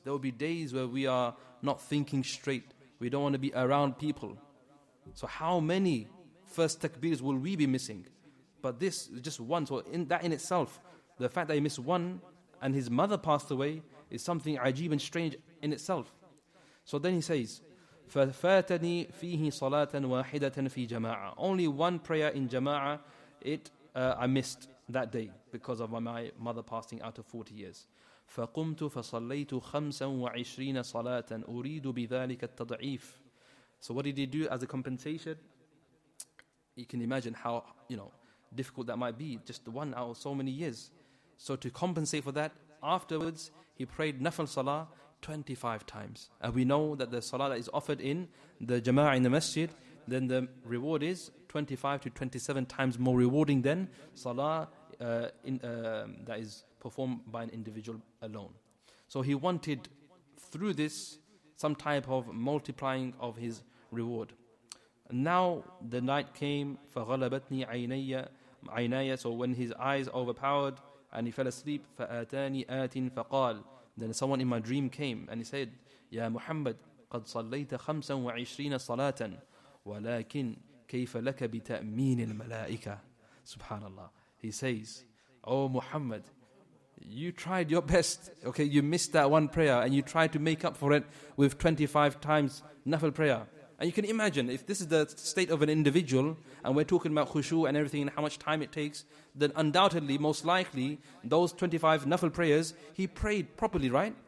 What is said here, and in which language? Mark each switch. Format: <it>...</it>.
<en>There will be days where we are not thinking straight. We don't want to be around people. So how many first takbirs will we be missing? But this is just one. So in that in itself, the fact that he missed one and his mother passed away is something ajeeb and strange in itself.</en> <ar>So then he says, فَفَاتَنِي فِيهِ صَلَاةً وَاحِدَةً فِي جَمَاعَةً.</ar> <en>Only one prayer in jama'ah, I missed that day because of my mother passing out of 40 years.</en> <ar>فَقُمْتُ فَصَلَّيْتُ خَمْسًا وَعِشْرِينَ صَلَاةً أُرِيدُ بِذَلِكَ التَّضْعِيفِ.</ar> <en>So what did he do as a compensation? You can imagine how, you know, difficult that might be, just one out of so many years. So to compensate for that, afterwards, he prayed Nafal Salah 25 times. And we know that the Salah that is offered in the Jama'ah in the Masjid, then the reward is 25 to 27 times more rewarding than Salah that is performed by an individual alone. So he wanted, through this, some type of multiplying of his reward. Now the night came,</en> <ar>فَغَلَبَتْنِي عَيْنَيَّ.</ar> <en>So when his eyes overpowered and he fell asleep,</en> <ar>فَآتَانِي آتٍ فَقَالَ.</ar> <en>Then someone in my dream came and he said,</en> <ar>يَا مُحَمَّدْ قَدْ صَلَّيْتَ خَمْسًا وَعِشْرِينَ صَلَاةً وَلَكِنْ كَيْفَ لَكَ بِتَأْمِينِ الْمَلَائِكَةِ. SubhanAllah.</ar> <en>He says, oh Muhammad, you tried your best. Okay, you missed that one prayer and you tried to make up for it with 25 times nafil prayer. And you can imagine, if this is the state of an individual, and we're talking about khushu and everything and how much time it takes, then undoubtedly, most likely, those 25 nafil prayers, he prayed properly, right?</en>